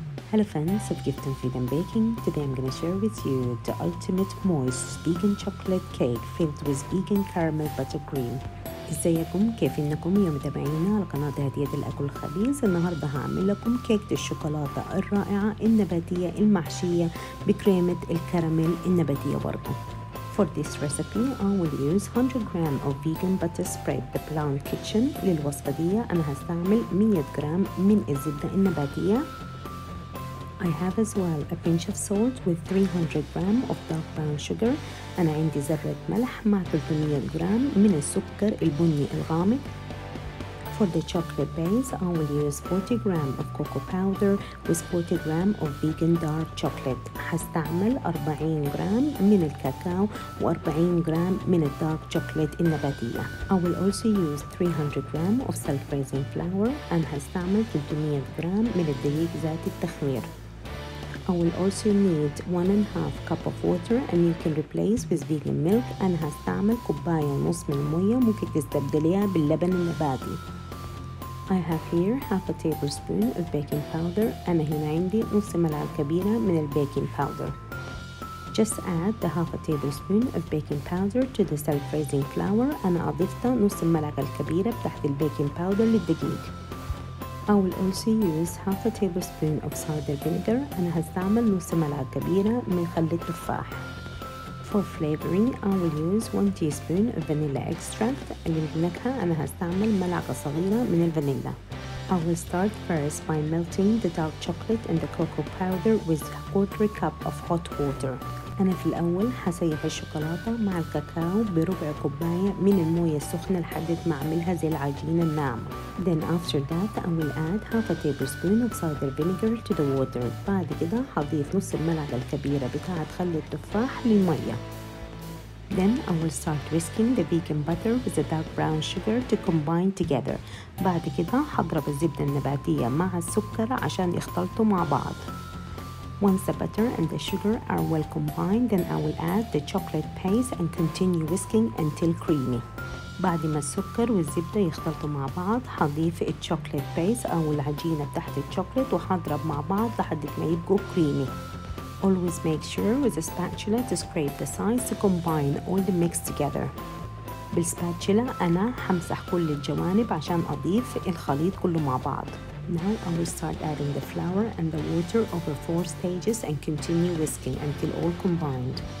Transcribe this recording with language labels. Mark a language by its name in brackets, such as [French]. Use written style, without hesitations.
[English] Hello friends of Gift and Freedom Baking. Today I'm gonna share with you the ultimate moist vegan chocolate cake filled with vegan caramel buttercream. [Arabic] ازيكم؟ كيف انكم يا متابعينا على قناة هدية الاكل الخبيث؟ النهاردة هعمل لكم كيكة الشوكولاتة الرائعة النباتية المحشية بكريمة الكراميل النباتية برضو. [English] For this recipe, I will use 100 grams of vegan butter spread the plant kitchen. [Arabic] للوصفة دي انا هستعمل 100 جرام من الزبدة النباتية. [English] I have as well a pinch of salt with 300 grams of dark brown sugar. [Arabic] أنا عندي ذرة ملح مع 300 جرام من السكر البني الغامق. [English] For the chocolate base, I will use 40 grams of cocoa powder with 40 grams of vegan dark chocolate. [Arabic] هستعمل 40 جرام من الكاكاو و 40 جرام من الدارك شوكليت النباتية. [English] I will also use 300 grams of self-raising flour and [Arabic] هستعمل 300 جرام من الدقيق ذات التخمير. [English] I will also need 1.5 cup of water and you can replace with vegan milk. [Arabic] أنا هستعمل كوباية ونص من المية، ممكن تستبدليها باللبن النباتي. [English] I have here 1/2 tablespoon of baking powder. [Arabic] أنا هنا عندي نص ملعقة كبيرة من البيكنج باودر. [English] Just add the 1/2 tablespoon of baking powder to the self-raising flour. [Arabic] أنا أضفت نص الملعقة الكبيرة بتاعت البيكنج باودر للدقيق. [English] I will also use 1/2 tablespoon of cider vinegar. [Arabic] أنا هستعمل نص ملعقة كبيرة من خل التفاح. [English] For flavoring, I will use 1 teaspoon of vanilla extract. [Arabic] للنكهة أنا هستعمل ملعقة صغيرة من الفانيلا. [English] I will start first by melting the dark chocolate and the cocoa powder with 1/4 cup of hot water. [Arabic] أنا في الأول هسيح الشوكولاتة مع الكاكاو بربع كوباية من الموية السخنة لحد ما أعملها زي العجينة الناعمة. [English] Then after that I will add 1/2 tablespoon of cider vinegar to the water. [Arabic] بعد كده هضيف نص الملعقة الكبيرة بتاعة خل التفاح للمية. [English] Then I will start whisking the vegan butter with the dark brown sugar to combine together. [Arabic] بعد كده هضرب الزبدة النباتية مع السكر عشان يختلطوا مع بعض. [English] Once the butter and the sugar are well combined, then I will add the chocolate paste and continue whisking until creamy. [Arabic] بعد ما السكر والزبدة يختلطوا مع بعض، هضيف الشوكليت بيس أو العجينة تحت الشوكليت وهضرب مع بعض لحد ما يبقوا creamy. [English] Always make sure with a spatula to scrape the sides to combine all the mix together. [Arabic] بالسباتشيلا أنا همسح كل الجوانب عشان أضيف الخليط كله مع بعض. [English] Now I will start adding the flour and the water over 4 stages and continue whisking until all combined.